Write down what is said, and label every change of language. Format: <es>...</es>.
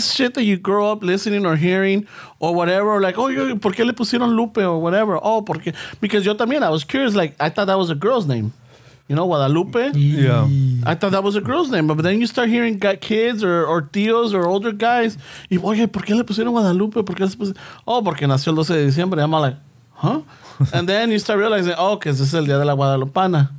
<en>This is shit that you grow up listening or hearing or whatever. Like, oh,</en> <es>yo, ¿por qué le pusieron Lupe</es> <en>or whatever? Oh,</en> <es>porque,</es> <en>because</en> <es>yo también,</es> <en>I was curious. Like, I thought that was a girl's name. You know, Guadalupe? Yeah. I thought that was a girl's name. But then you start hearing kids or tíos or older guys.</en> <es>Y, oye, ¿por qué le pusieron Guadalupe? ¿Por qué le pusieron? Oh, porque nació el 12 de diciembre.</es> <en>I'm like, huh? And then you start realizing, oh,</en> <es>que ese es el día de la Guadalupana.</es>